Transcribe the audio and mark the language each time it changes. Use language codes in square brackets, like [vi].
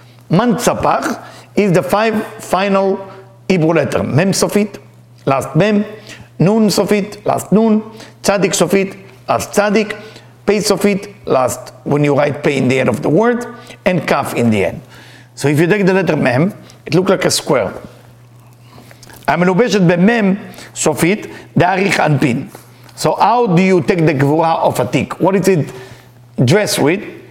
[en] Mantzapach is the 5 final Hebrew letter. Mem Sofit, last Mem. Nun Sofit, last Nun. Tzadik Sofit, last Tzadik. Pei Sofit, last when you write Pei in the end of the word. And Kaf in the end. So if you take the letter Mem, it looks like a square. [he] המלובשת במם סופית, דאריך אנפין. [en] So how do you take the גבורה of a tick? What is it dressed with?